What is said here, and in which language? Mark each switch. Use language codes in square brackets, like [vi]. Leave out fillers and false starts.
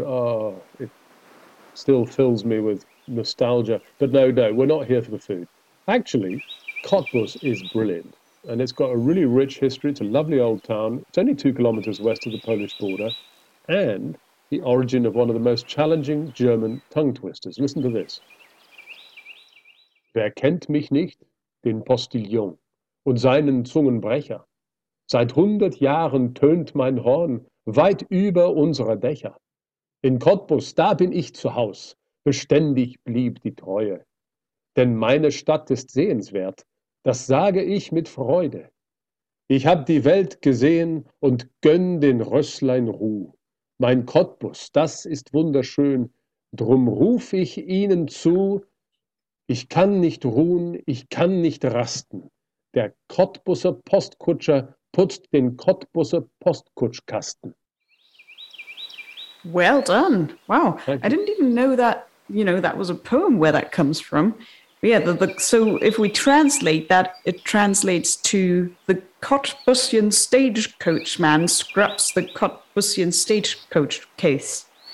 [en] Oh, it still fills me with nostalgia. But no, we're not here for the food. Actually, Cottbus is brilliant. And it's got a really rich history. It's a lovely old town. It's only 2 kilometres west of the Polish border. And the origin of one of the most challenging German tongue twisters. Listen to this. [de] Wer kennt mich nicht, den Postillon, und seinen Zungenbrecher? Seit 100 Jahren tönt mein Horn weit über unsere Dächer. In Cottbus, da bin ich zu Haus. Beständig blieb die Treue. Denn meine Stadt ist sehenswert. Das sage ich mit Freude. Ich hab die Welt gesehen und gönn den Rösslein Ruh. Mein Cottbus, das ist wunderschön. Drum ruf ich ihnen zu. Ich kann nicht ruhen, ich kann nicht rasten. Der Cottbusser Postkutscher putzt den Cottbusser Postkutschkasten. [en] Well done. Wow. I didn't even know that, that was a poem where that comes from. Yeah, so if we translate that, it translates to the Cottbusian stagecoachman scrubs the Cottbusian stagecoach case.